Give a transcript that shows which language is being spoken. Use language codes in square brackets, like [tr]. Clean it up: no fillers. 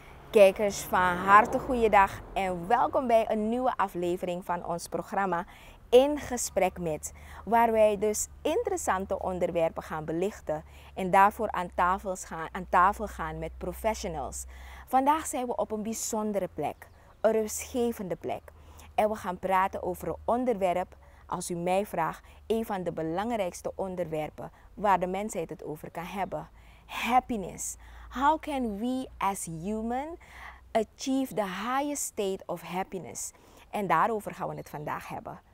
[nl] Kijkers, van harte goeiedag en welkom bij een nieuwe aflevering van ons programma In Gesprek Met, waar wij dus interessante onderwerpen gaan belichten en daarvoor aan tafel gaan met professionals. Vandaag zijn we op een bijzondere plek, een rustgevende plek. En we gaan praten over een onderwerp, als u mij vraagt, een van de belangrijkste onderwerpen waar de mensheid het over kan hebben. [en] Happiness. How can we as human achieve the highest state of happiness? [nl] En daarover gaan we het vandaag hebben.